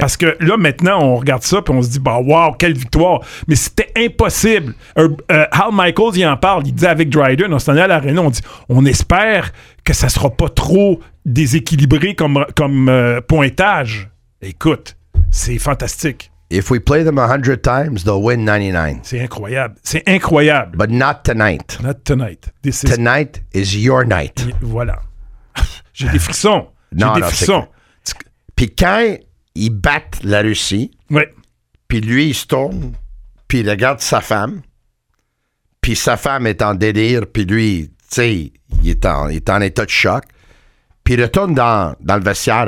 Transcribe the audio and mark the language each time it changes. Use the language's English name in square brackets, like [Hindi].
[French] Parce que là, maintenant, on regarde ça, puis on se dit, bah, wow, quelle victoire. Mais c'était impossible. Hal Michaels, il en parle. Il dit avec Dryden, on s'en est allé à l'aréna, on dit, on espère que ça sera pas trop déséquilibré comme pointage. Écoute, c'est fantastique. [English] If we play them 100 times, they'll win 99. [French] C'est incroyable. C'est incroyable. [English] But not tonight. Not tonight. This is tonight is your night. [French] Voilà. J'ai des frissons. Non, j'ai des frissons. Puis quand ils battent la Russie, oui. puis lui, il se tourne, puis il regarde sa femme, puis sa femme est en délire, puis lui, tu sais, il est en état de choc, puis il retourne dans le vestiaire.